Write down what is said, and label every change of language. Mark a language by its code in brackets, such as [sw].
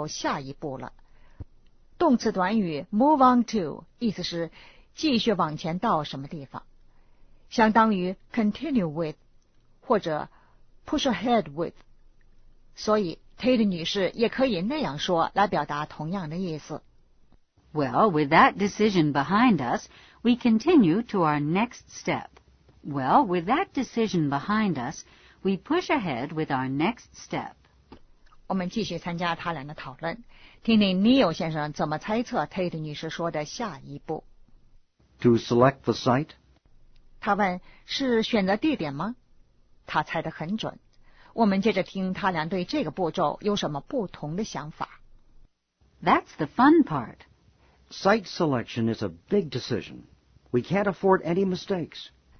[zh] 她认为他们要继续走下一步了。动词短语move on to,意思是继续往前到什么地方,相当于 [en] continue with, [zh] 或者 [en] push ahead with, [zh] 所以Tate女士也可以那样说来表达同样的意思。 [en] Well, with that decision behind us, we continue to our next step. Well, with that decision behind us, we push ahead with our next step. [zh] 我们继续参加他俩的讨论,听听Neil先生怎么猜测Tate女士说的下一步。 [en] To select the site? [zh] 他问,是选择地点吗? 他猜得很准。我们接着听他俩对这个步骤有什么不同的想法。 [en] That's the fun part. Site selection is a big decision. We can't afford any mistakes.